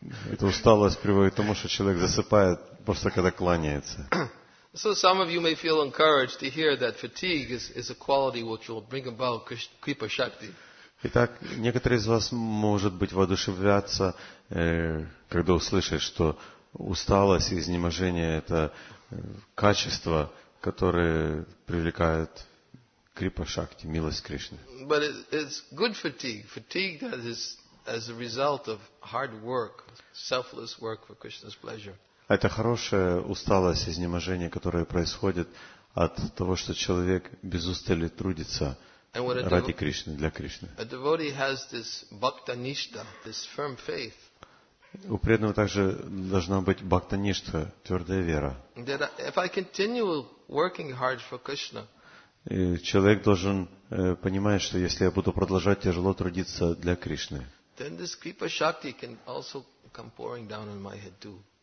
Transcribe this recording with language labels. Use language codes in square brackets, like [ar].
[ru] Эта усталость приводит к тому, что человек засыпает просто когда кланяется. [en] So some of you may feel encouraged to hear that fatigue is a quality which will bring about Kripa Shakti. [ru] Итак, некоторые из вас, может быть, воодушевляться, когда услышат, что усталость и изнеможение – это качества, которые привлекают Крипа Шакти, милость Кришны. [en] But it's good fatigue. Fatigue that is as a result of hard work, selfless work for Krishna's pleasure. [ru] Это хорошая усталость, изнеможение, которое происходит от того, что человек без устали трудится ради Кришны, для Кришны. [en] A devotee has this bhakta-nishtha, this firm faith. [ru] У преданного также должна быть бхакта-ништа, твердая вера. [en] If I continue working hard for Krishna, [ru] человек должен понимать, что если я буду продолжать тяжело трудиться для Кришны, [en] then this Kripa Shakti can also come pouring down on my head too.